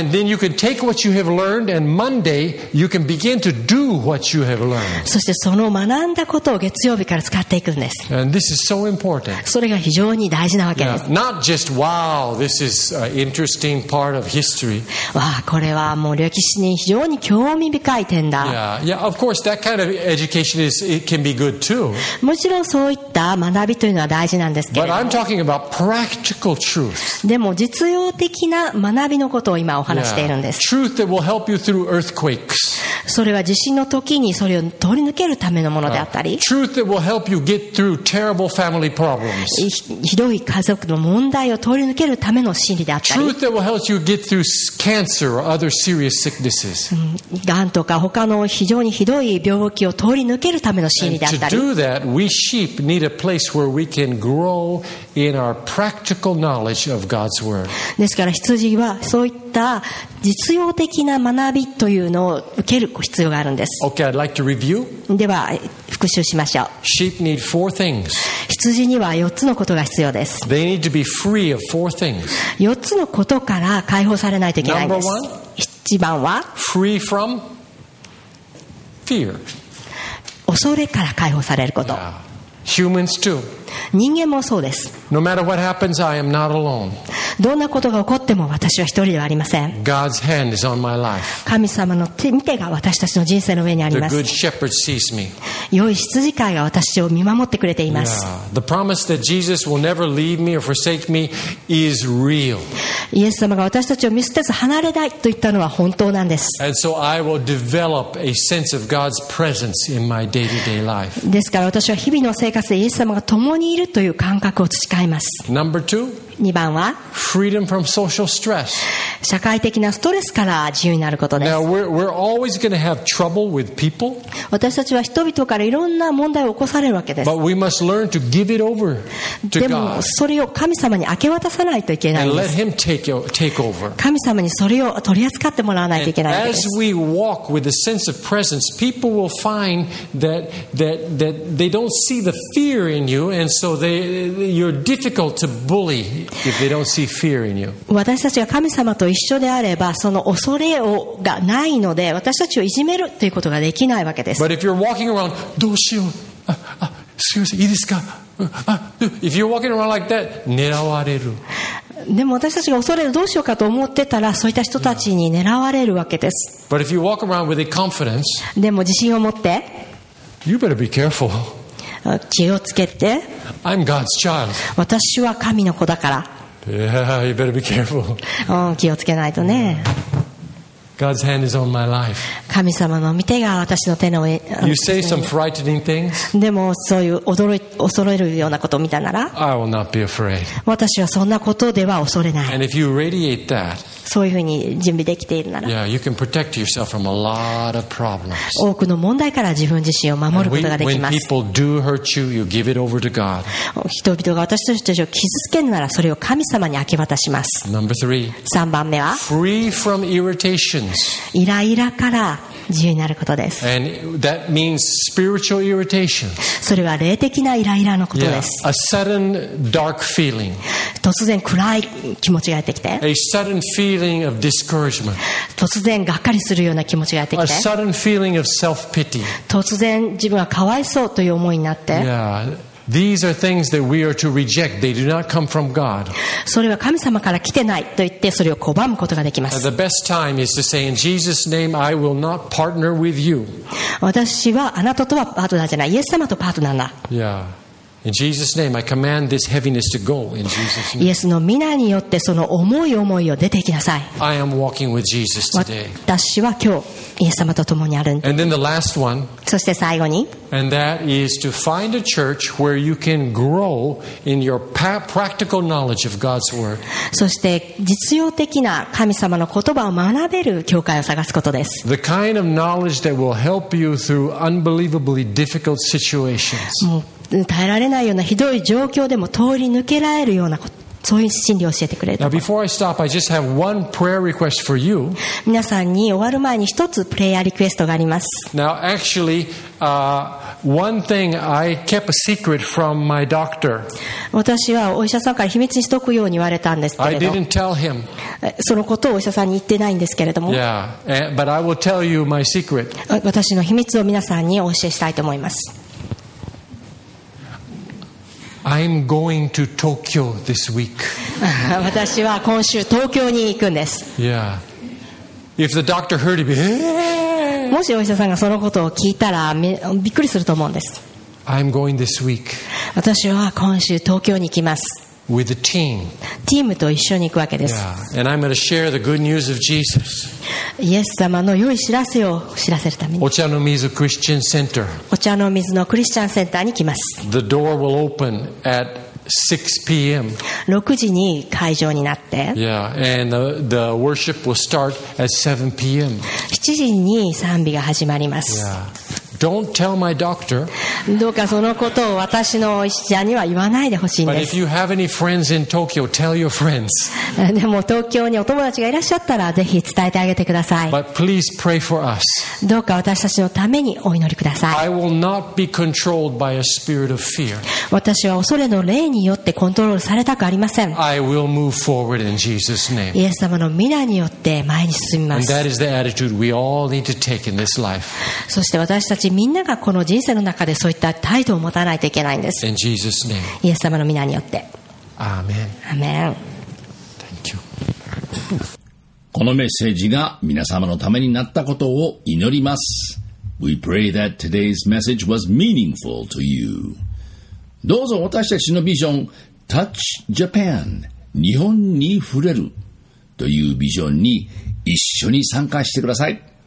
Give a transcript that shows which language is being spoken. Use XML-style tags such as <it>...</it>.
<en>And then you can take what you have learned, and Monday you can begin to do what you have learned.</en> <ja>そしてその学んだことを月曜日から使っていくんです。</ja> <en>And this is so important.</en> <ja>それが非常に大事なわけです。</ja> <en>Yeah, not just wow, this is an interesting part of history.</en> <ja>わあ、これはもう歴史に非常に興味深い点だ。</ja> <en>Yeah, yeah. Of course, that kind of education is it can be good too.</en> <ja>もちろんそういった学びというのは大事なんですけれども。</ja> <en>But I'm talking about practical truth.</en> <ja>でも実用的な学びのことを今お話しているんです。</ja> <en>Yeah. Truth that will help you through earthquakes.</en> <ja>それは地震の時にそれを通り抜けるためのものであったり。</ja> <en>Truth that will help you get through terrible family problems.</en> <ja>ひどい家族の問題を通り抜けるための真理であったり。</ja> <en>Truth that will helps you get through cancer or other serious sicknesses.</en> <ja>がんとか他の非常にひどい病気を通り抜けるための真理であったり。</ja> <en>And to do that, we sheep need a place where we can grow in our practical knowledge of God's word.</en> <ja>ですから羊はそういった実用的な学びというのを受ける必要があるんです。</ja> <en>Okay, I'd like to review.</en> <ja>では復習しましょう。</ja> <en>Sheep need four things.</en> <ja>羊には4つのことが必要です。</ja> <en>They need to be free of four things.</en> <ja>4つのことから解放されないといけないんです。</ja> <en>Number one,</en> <ja>1番は</ja> <en>free from fear.</en> <ja>恐れから解放されること。</ja> <en>Yeah. Humans too.</en> <ja>人間もそうです。</ja> <en>No matter what happens, I am not alone.</en> <ja>どんなことが起こっても私は一人ではありません。</ja> <en>God's hand is on my life.</en> <ja>神様の手が私たちの人生の上にあります。</ja> <en>The good shepherd sees me.</en> <ja>良い羊飼いが私を見守ってくれています。</ja> <en>The promise that Jesus will never leave me or forsake me is real.</en> <ja>イエス様が私たちを見捨てず離れないと言ったのは本当なんです。</ja> <en>And so I will develop a sense of God's presence in my day-to-day life.</en> <ja>ですから私は日々の生活でイエス様が共にいるという感覚を培います。</ja> <en>Number two.</en> <ja>2番は</ja> <en>Freedom from social stress.</en> <ja>社会的なストレスから自由になることです。</ja> <en>Now, we're always going to have trouble with people.</en> <ja>私たちは人々からいろんな問題を起こされるわけです。</ja> <en>But we must learn to give it over to God.</en> <ja>でもそれを神様に明け渡さないといけないんです。</ja> <en>And let him take over.</en> <ja>神様にそれを取り扱ってもらわないといけないんです。</ja> <en>As we walk with a sense of presence, people will find that they don't see the fear in you, and so you're difficult to bully. If they don't see fear in you.</en> <ja>私たちが神様と一緒であればその恐れをがないので私たちをいじめるということができないわけです。</ja> <en>But if you're walking around,</en> <ja>どうしよう。すいません、いいですか。</ja> <en>If you're walking around like that,</en> <ja>狙われる。でも私たちが恐れるどうしようかと思ってたらそういった人たちに狙われるわけです。</ja> <en>Yeah. But if you walk around with a confidence,</en> <ja>でも自信を持って、</ja> <en>You better be careful.</en> <ja>気をつけて。</ja> <en>I'm God's child.</en> <ja>私は神の子だから。</ja> <en>Yeah, you better be careful.</en> <ja>気をつけないとね。</ja> <en>God's hand is on my life.</en> <ja>神様の御手が私の手の上。</ja> <en>You say some frightening things.</en> <ja>でもそういう恐れるようなことを見たなら。</ja> <en>I will not be afraid.</en> <ja>私はそんなことでは恐れない。</ja> <en>And if you radiate that.</en> <ja>そういうふうに準備できているなら、</ja> <en>yeah, you can protect yourself from a lot of problems.</en> <ja>多くの問題から自分自身を守ることができます。</ja> <en>When people do hurt you, you give it over to God.</en> <ja>人々が私たちを傷つけるならそれを神様に明け渡します。</ja> <en>Number three.</en> <ja>3番目は</ja> <en>Free from irritations.</en> <ja>イライラから自由になることです。</ja> <en>And that means spiritual irritation.</en> <ja>それは霊的なイライラのことです。</ja> <en>Yeah, a sudden dark feeling.</en> <ja>突然暗い気持ちがやってきて。</ja> <en>A sudden feeling of discouragement.</en> <ja>突然がっかりするような気持ちがやってきて。</ja> <en>A sudden feeling of self-pity.</en> <ja>突然自分はかわいそうという思いになって。</ja> <en>Yeah. These are things that we are to reject. They do not come from God.</en> <ja>それは神様から来てないと言ってそれを拒むことができます。</ja> <en>The best time is to say, in Jesus' name, I will not partner with you.</en> <ja>私はあなたとはパートナーじゃない。イエス様とパートナーだ。</ja> <en>Yeah. In Jesus' name, I command this heaviness to go. In Jesus' name.</en> <ja>イエスの御名によってその重い思いを出ていきなさい。</ja> <en>I am walking with Jesus today.</en> <ja>私は今日イエス様と共にあるんです。</ja> <en>And then the last one.</en> <ja>そして最後に、</ja> <en>And that is to find a church where you can grow in your practical knowledge of God's word.</en> <ja>そして実用的な神様の言葉を学べる教会を探すことです。</ja> <en>The kind of knowledge that will help you through unbelievably difficult situations.</en> <ja>もう耐えられないようなひどい状況でも通り抜けられるようなこと。そういう真理を教えてくれる。</ja> <en>Now, before I stop, I just have one prayer request for you.</en> <ja>皆さんに終わる前に一つプレイヤーリクエストがあります。</ja> <en>Now, actually, one thing I kept a secret from my doctor.</en> <ja>私はお医者さんから秘密にしとくように言われたんですけれど。</ja> <en>I didn't tell him.</en> <ja>そのことをお医者さんに言ってないんですけれども。</ja> <en>Yeah, but I will tell you my secret.</en> <ja>私の秘密を皆さんにお教えしたいと思います。</ja> <en>I'm going to Tokyo this week.</en> <ja>私は今週東京に行くんです。</ja> <en>Yeah. If the doctor heard it,</en> <ja>もしお医者さんがそのことを聞いたらびっくりすると思うんです。</ja> <en>I'm going this week.</en> <ja>私は今週東京に行きます。</ja> <en>With a team.</en> <ja>チームと一緒に行くわけです。</ja> <en>Yeah. And I'm going to share the good news of Jesus.</en> <ja>イエス様の良い知らせを知らせるために。お茶の水クリスチャンセンター。お茶の水のクリスチャンセンターに来ます。</ja> <en>The door will open at 6 p.m.</en> <ja>6時に会場になって</ja> <en>Yeah, and the worship will start at 7 p.m.</en> <ja>7時に賛美が始まります、</ja> <en>yeah. Don't tell my doctor.</en> <ja>どうかそのことを私の医者には言わないでほしいんです。</ja> <en>But if you have any friends in Tokyo, tell your friends.</en> <ja>でも東京にお友達がいらっしゃったらぜひ伝えてあげてください。</ja> <en>But please pray for us.</en> <ja>どうか私たちのためにお祈りください。</ja> <en>I will not be controlled by a spirit of fear.</en> <ja>私は恐れの霊によってコントロールされたくありません。</ja> <en>I will move forward in Jesus' name.</en> <ja>イエス様の御名によって前に進みます。</ja> <en>And that is the attitude we all need to take in this life.</en> <ja>そして私たちみんながこの人生の中でそういった態度を持たないといけないんです。</ja> <en>In Jesus name.</en> <ja>イエス様の御名によって。アーメン。アーメン。</ja> <en>Thank you.</en> <ja>このメッセージが皆様のためになったことを祈ります。</ja> <en>We pray that today's message was meaningful to you.</en> <ja>どうぞ私たちのビジョン、Touch Japan、日本に触れるというビジョンに一緒に参加してください。</ja>